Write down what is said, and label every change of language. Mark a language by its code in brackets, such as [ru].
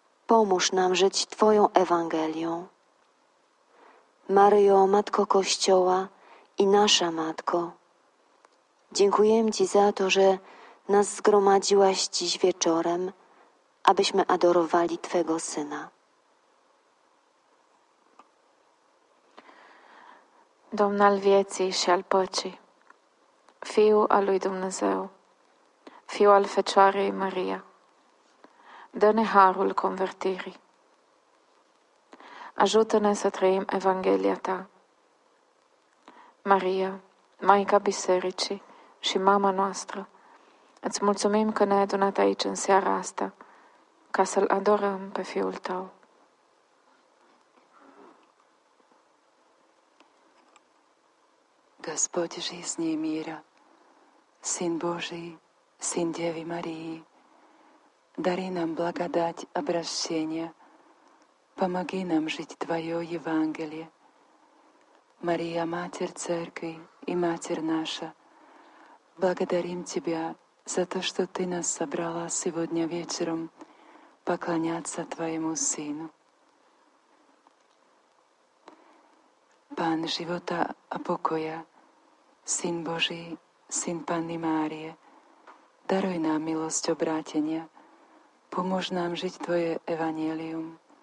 [pl] Pomóż nam żyć Twoją Ewangelią. Maryjo, Matko Kościoła i nasza Matko, dziękujemy Ci za to, że nas zgromadziłaś dziś wieczorem, abyśmy adorowali Twego Syna. [ro] Domnul vieții și al păcii, Fiul al lui Dumnezeu, Fiul al Fecioarei Maria, dă-ne harul convertirii. Ajută-ne să trăim Evanghelia Ta. Maria, Maica Bisericii și Mama noastră, îți mulțumim că ne-ai adunat aici în seara asta ca să-L adorăm pe Fiul Tău. [ru] Господь жизни и мира, Сын Божий, Сын Девы Марии, дари нам благодать обращения, помоги нам жить Твое Евангелие. Мария, Матерь Церкви и Матерь наша, благодарим Тебя за то, что Ты нас собрала сегодня вечером поклоняться Твоему Сыну. [sk] Пан живота и покоя, Syn Boží, Syn Panny Márie, daruj nám milosť obrátenia, pomôž nám žiť Tvoje evanjelium.